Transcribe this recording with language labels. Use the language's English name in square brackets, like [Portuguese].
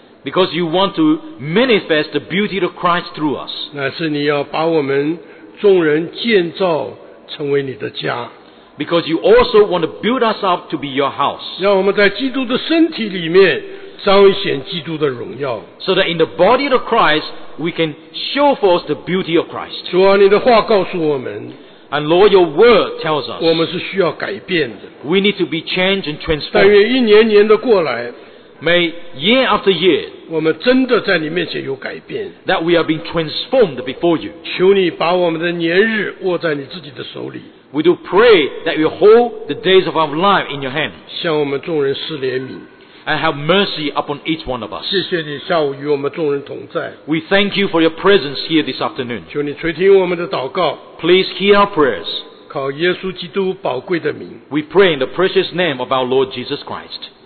[English] Because you want to manifest the beauty of Christ through us. [Chinese] 乃是你要把我们众人建造成为你的家。 [English] Because you also want to build us up to be your house. [Chinese] 让我们在基督的身体里面彰显基督的荣耀。 [English] So that in the body of Christ, we can show forth the beauty of Christ. [Chinese] 主啊，你的话告诉我们。 [English] And Lord, your word tells us, [Chinese] 我们是需要改变的。 [English] We need to be changed and transformed. [Chinese] 但愿一年年的过来， [English] May year after year, [Chinese] 我们真的在你面前有改变。 [English] That we are being transformed before you. [Chinese] 求你把我们的年日握在你自己的手里。 [English] We do pray that you hold the days of our life in your hand. [Chinese] 向我们众人施怜悯。 [English] And have mercy upon each one of us. [Chinese] 谢谢你下午与我们众人同在。 [English] We thank you for your presence here this afternoon. [Chinese] 求你垂听我们的祷告。 [English] Please hear our prayers. [Chinese] 靠耶稣基督宝贵的名。 [English] We pray in the precious name of our Lord Jesus Christ.